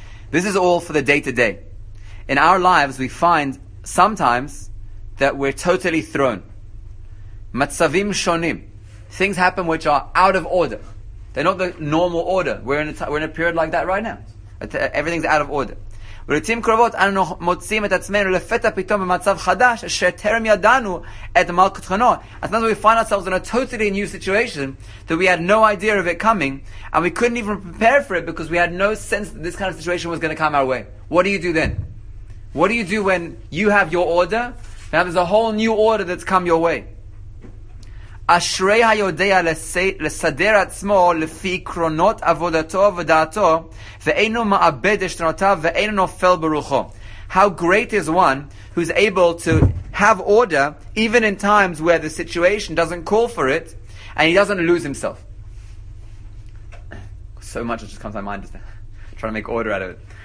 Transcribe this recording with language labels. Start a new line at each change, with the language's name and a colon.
English: This is all for the day-to-day. In our lives, we find sometimes that we're totally thrown.
Hebrew: Matzavim shonim.
English: Things happen which are out of order. They're not the normal order. We're in a period like that right now. Everything's out of order.
Hebrew: ולעתים קרובות אנו מוצאים את עצמנו לפתע פתאום במצב חדש שטרם ידענו את מלכות חנו.
English: And sometimes we find ourselves in a totally new situation that we had no idea of it coming, and we couldn't even prepare for it because we had no sense that this kind of situation was going to come our way. What do you do then? What do you do when you have your order? Now there's a whole new order that's come your way.
Hebrew: אשרי היודע לסדר עצמו לפי עקרונות עבודתו ודעתו ואינו מאבד עשתונותיו ואינו נופל ברוחו.
English: How great is one who's able to have order even in times where the situation doesn't call for it and he doesn't lose himself. So much just comes to my mind just trying to make order out of it.